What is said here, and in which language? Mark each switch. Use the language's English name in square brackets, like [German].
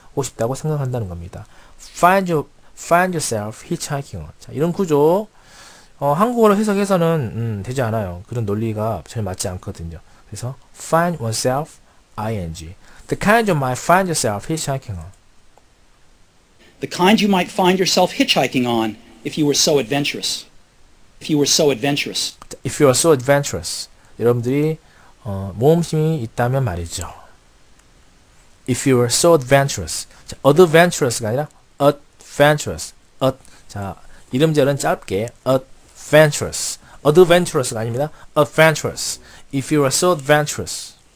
[Korean] 하고 싶다고 생각한다는 겁니다. [English] Find yourself hitchhiking. 자, [Korean] 이런 구조. 한국어로 해석해서는 되지 않아요. 그런 논리가 잘 맞지 않거든요. [English] 그래서 find oneself ing. The kind you might find yourself hitchhiking on. The kind you might find yourself hitchhiking on if you were so adventurous. If you were so adventurous. If you were so adventurous. [Korean] 여러분들이 모험심이 있다면 말이죠. [English] If you were so adventurous. 자, adventurous가 아니라 adventurous. [Korean] 자, 이름절은 짧게 adventurous. [English] Adventurous가 [Korean] 아닙니다. [English] Adventurous. If you were so adventurous.